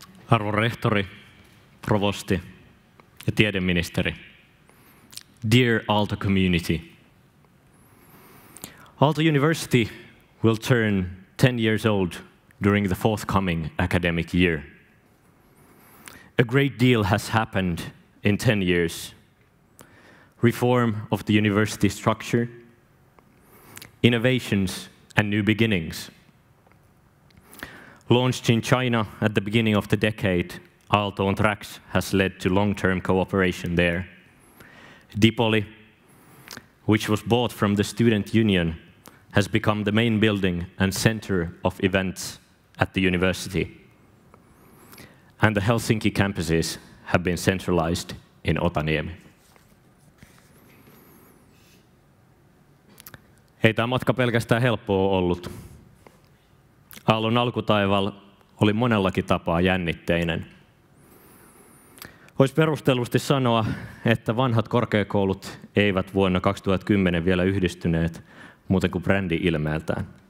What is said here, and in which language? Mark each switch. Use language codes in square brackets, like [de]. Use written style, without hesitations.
[fi] Arvon rehtori, provosti ja tiedeministeri. [en] Dear Aalto community. Aalto University will turn 10 years old during the forthcoming academic year. A great deal has happened in 10 years. Reform of the university structure, innovations and new beginnings. Launched in China at the beginning of the decade, Aalto on Tracks has led to long-term cooperation there. Dipoli, which was bought from the student union, has become the main building and center of events at the university. And the Helsinki campuses have been centralized in Otaniemi. [fi] Ei tämä matka pelkästään helppoa ollut. Aallon alkutaival oli monellakin tapaa jännitteinen. Voisi perustellusti sanoa, että vanhat korkeakoulut eivät vuonna 2010 vielä yhdistyneet muuten kuin brändi ilmeeltään.